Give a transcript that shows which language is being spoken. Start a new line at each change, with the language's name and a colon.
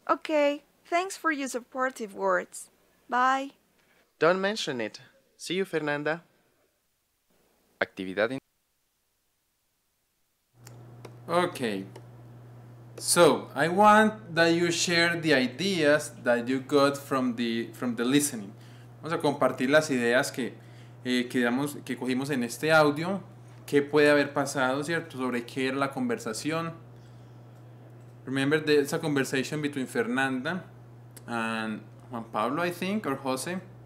English: Okay. Thanks for your supportive words. Bye. Don't mention it. See you, Fernanda.
Spanish: Actividad.
English: Okay. So, I want that you share the ideas that you got from the listening.
Spanish: Vamos a compartir las ideas que cogimos en este audio. ¿Qué puede haber pasado, cierto? ¿Sobre qué era la conversación?
English: Remember there's a conversation between Fernanda and Juan Pablo, I think, or Jose.